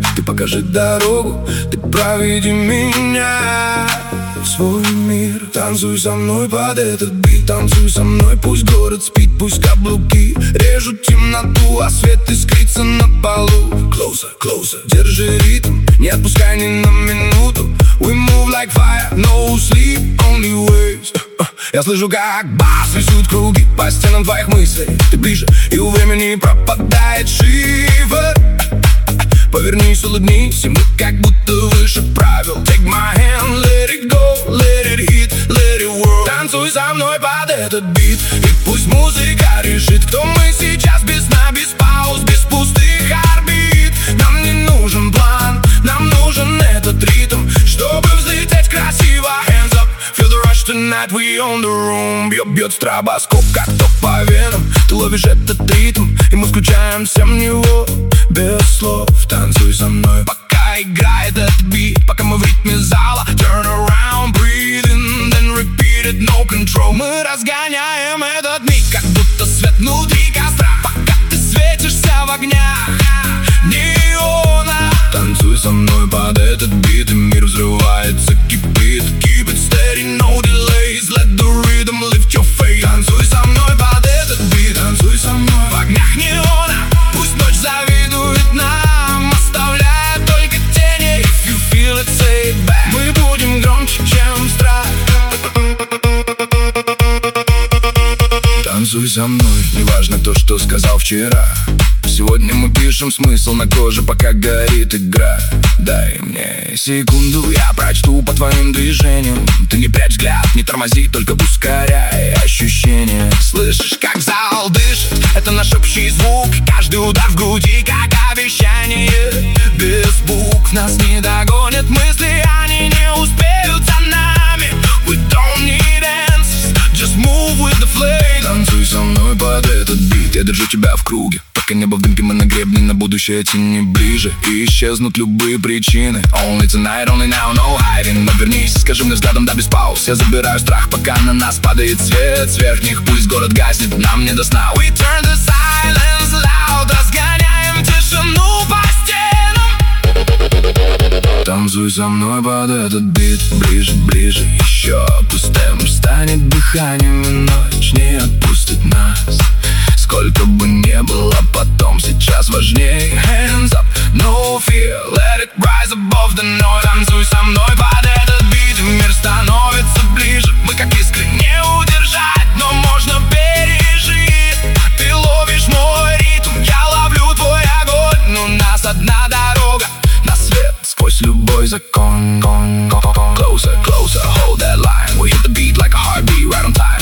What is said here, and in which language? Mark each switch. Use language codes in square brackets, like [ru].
[ru] Ты покажи дорогу, ты проведи меня в свой мир. Танцуй со мной под этот бит. Танцуй со мной, пусть город спит. Пусть каблуки режут темноту, а свет искрится на полу. [en] Closer, closer, [ru] держи ритм. Не отпускай ни на минуту. [en] We move like fire, no sleep, only waves. [ru] Я слышу, как бас рисует круги по стенам твоих мыслей. Ты ближе, и у времени пропадает шифр. Повернись, улыбнись, и мы как будто выше правил. [en] Take my hand, let it go, let it hit, let it whirl. [ru] Танцуй со мной под этот бит. И пусть музыка решит, кто мы сейчас. Без сна, без пауз, без пустых орбит. Нам не нужен план, нам нужен этот ритм, чтобы взлететь красиво. [en] Hands up, feel the rush tonight, we on the room. [ru] Бьет стробоскоп, как ток по венам. Ты ловишь этот ритм, и мы включаемся в него. Без слов, танцуй со мной, пока играет этот бит. Пока мы в ритме зала, [en] turn around, breathe in, then repeat it, no control. [ru] Мы разгоняем этот миг, как будто свет внутри костра. Пока ты светишься в огнях неона. Танцуй со мной под этот бит, и мир взрывается, кипит. [en] Keep it steady, no delays, let the rhythm lift your face. [ru] Танцуй со мной под этот бит, танцуй со мной в огнях неона. Пусть ночь завидует нам, оставляя только тени. [en] If you feel it, say it back. [ru] Мы будем громче, чем страх. Танцуй со мной, не важно то, что сказал вчера. Сегодня мы пишем смысл на коже, пока горит игра. Дай мне секунду, я прочту по твоим движениям. Ты не прячь взгляд, не тормози, только ускоряй ощущения. Слышишь, как зал дышит, это наш общий звук. Каждый удар в груди, как обещание. Без букв нас не догонят мысли, они не успеют за нами. [en] We don't need answers, just move with the flame. [ru] Танцуй со мной под этот бит, я держу тебя в круге. Пока небо в дымке, мы на гребне, на будущее тяни ближе. И исчезнут любые причины. [en] Only tonight, only now, no hiding. [ru] Но вернись, скажи мне взглядом, да без пауз. Я забираю страх, пока на нас падает свет. С верхних пусть город гаснет, нам не до сна. [en] We turn the silence loud. [ru] Разгоняем тишину по стенам. Танцуй со мной под этот бит. Ближе, ближе, еще пусть темп станет дыханием. Ночь не отпустит нас. Сколько бы не было потом, сейчас важней. [en] Hands up, no fear, let it rise above the noise. [ru] Танцуй со мной под этот бит, мир становится ближе. Мы как искры не удержать, но можно пережить. Ты ловишь мой ритм, я ловлю твой огонь. У нас одна дорога на свет, сквозь любой закон. [en] Closer, closer, hold that line. We hit the beat like a heartbeat right on time.